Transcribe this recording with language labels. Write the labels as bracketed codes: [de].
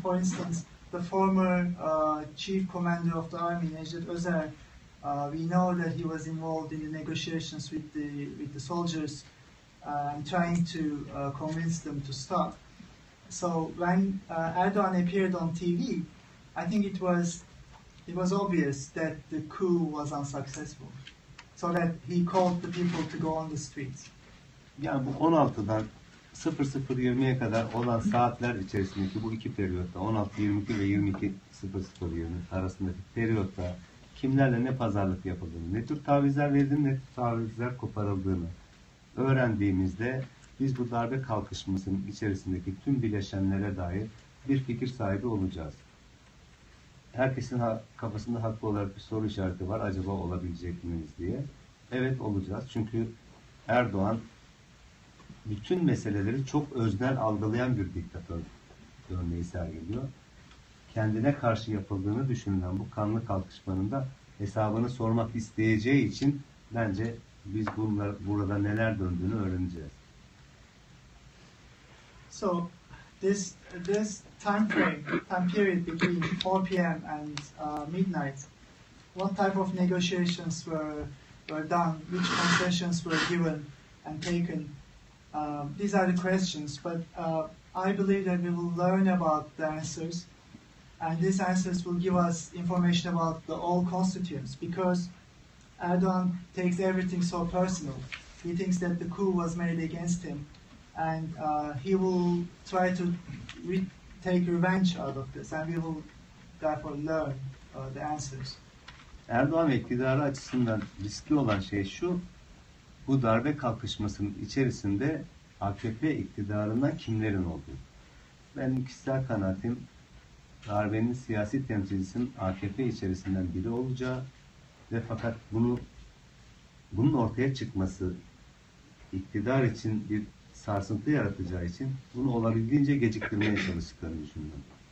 [en] For instance, the former chief commander of the army, Necdet Özer, we know that he was involved in the negotiations with the soldiers, trying to convince them to stop. So when Erdoğan appeared on TV, I think it was obvious that the coup was unsuccessful. So that he called the people to go on the streets. [tr] Yani bu 16'dan 00:20'ye kadar olan saatler içerisindeki bu iki periyotta, 16:22 ve 22:00 arasındaki periyotta kimlerle ne pazarlık yapıldığını, ne tür tavizler verildiğini, ne tür tavizler koparıldığını öğrendiğimizde biz bu darbe kalkışmasının içerisindeki tüm bileşenlere dair bir fikir sahibi olacağız. Herkesin kafasında haklı olarak bir soru işareti var, acaba olabilecek miyiz diye. Evet olacağız, çünkü Erdoğan bütün meseleleri çok öznel algılayan bir diktatör örneği sergiliyor. Kendine karşı yapıldığını düşünülen bu kanlı kalkışmanın da hesabını sormak isteyeceği için bence biz bunlar burada neler döndüğünü öğreneceğiz. [en] So this time frame, time period between 4 p.m. and midnight, what type of negotiations were done, which concessions were given and taken? These are the questions, but I believe that we will learn about the answers, and these answers will give us information about the all constituents, because Erdoğan takes everything so personal. He thinks that the coup was made against him, and he will try to take revenge out of this, and we will therefore learn the answers. [tr] Erdoğan iktidarı açısından riskli olan şey şu, bu darbe kalkışmasının içerisinde AKP iktidarından kimlerin olduğu. Benim kişisel kanaatim, darbenin siyasi temsilcisinin AKP içerisinden biri olacağı ve fakat bunun ortaya çıkması iktidar için bir sarsıntı yaratacağı için bunu olabildiğince geciktirmeye çalıştıklarını düşünüyorum.